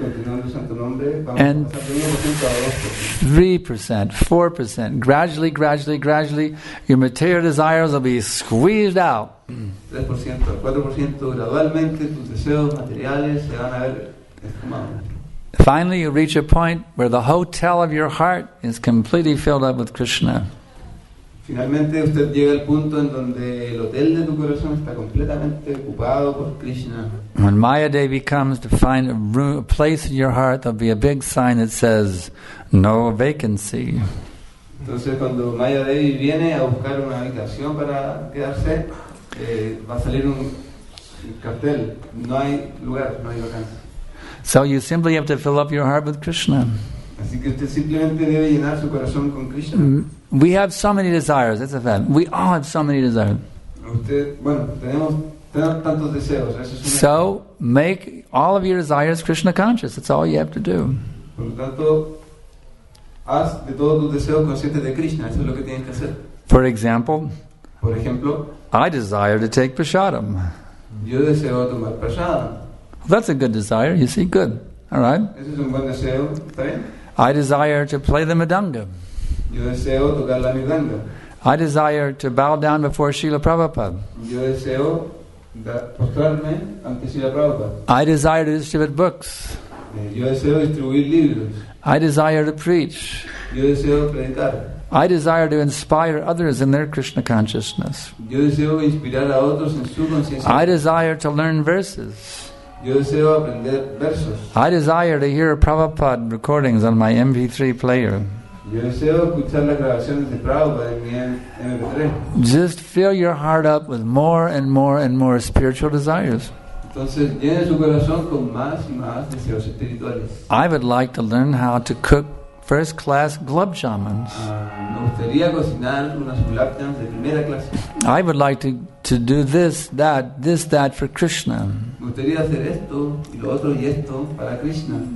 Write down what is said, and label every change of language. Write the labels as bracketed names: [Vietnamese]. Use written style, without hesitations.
[English] And 3%, 4%, gradually, gradually, gradually, your material desires will be squeezed out. [Spanish] 3%, 4%, gradualmente, tus deseos materiales se van a ver esfumados. [English] Finally, you reach a point where the hotel of your heart is completely filled up with Krishna. [Spanish] Finalmente, usted llega al punto en donde el hotel de tu corazón está completamente ocupado por Krishna. [English] When Maya Devi comes to find a room, a place in your heart, there'll be a big sign that says, "No vacancy." [Spanish] Entonces, cuando Maya Devi viene a buscar una habitación para quedarse, va a salir un cartel: "No hay lugar, no hay vacancia." [English] So you simply have to fill up your heart with Krishna. [Spanish] Así que usted simplemente debe llenar su corazón con Krishna. [English] We have so many desires, that's a fact. We all have so many desires. [Spanish] Usted, bueno, tenemos tantos deseos. [English] So make all of your desires Krishna conscious. That's all you have to do. [Spanish] Por lo tanto, haz de todos tus deseos conscientes de Krishna. Eso es lo que tienes que hacer. [English] For example, [Spanish] por ejemplo, [English] I desire to take prasadam. [Spanish] Yo deseo tomar prasadam. [English] Well, that's a good desire, you see, good. All right. [Spanish] Es un buen deseo. ¿Está bien? [English] I desire to play the madanga. [Spanish] Yo deseo tocar la madanga. [English] I desire to bow down before Srila Prabhupada. [Spanish] Yo deseo postrarme ante Srila Prabhupada. [English] I desire to distribute books. [Spanish] Yo deseo distribuir libros. [English] I desire to preach. [Spanish] Yo deseo predicar. [English] I desire to inspire others in their Krishna consciousness. [Spanish] Yo deseo inspirar a otros en su conciencia. [English] I desire to learn verses. [Spanish] Yo deseo aprender versos. [English] I desire to hear Prabhupada recordings on my MP3 player. [Spanish] Yo deseo escuchar las grabaciones de Prabhupada en mi MP3. [English] Just fill your heart up with more and more and more spiritual desires. [Spanish] Entonces, llene su corazón con más y más deseos espirituales. [English] I would like to learn how to cook first class gulab jamuns. [Spanish] Me gustaría cocinar unas gulab jamuns de primera clase. [English] I would like to do this, that for Krishna. [Spanish] Me gustaría hacer esto, y lo otro, y esto para Krishna.